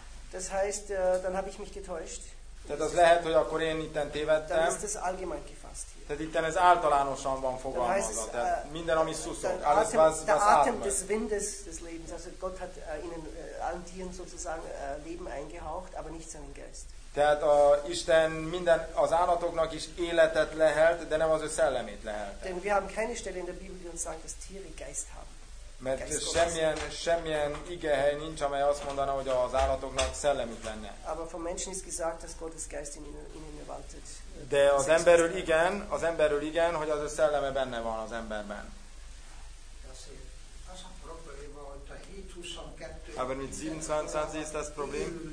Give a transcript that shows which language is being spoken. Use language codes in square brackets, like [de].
[de] Das heißt, dann habe ich mich getäuscht. [hu] Tehát az lehet, hogy akkor én itten tévedtem. [de] Dann ist das allgemein gefasst hier. [hu] Tehát itten ez általánosan van fogalmazva. Tehát minden, ami szuszog. [de] Alles, was atmet. Der Atem des Windes des Lebens. Also Gott hat ihnen allen Tieren sozusagen Leben eingehaucht, aber nicht seinen Geist. [hu] Tehát a Isten minden az állatoknak is életet lehelt, de nem az ő szellemét lehelt. [de] Denn wir haben keine Stelle in der Bibel, die uns sagt, dass Tiere Geist haben. [hu] Mert semmilyen igehely nincs, amely azt mondaná, hogy az állatoknak szellemük lenne. [de] Aber vom Menschen ist gesagt, dass Gottes Geist in ihnen waltet. [hu] De az emberről igen, hogy az ő szelleme benne van az emberben. Az a probléma, hogy a 7-22. [de] Aber mit 27 ist das Problem?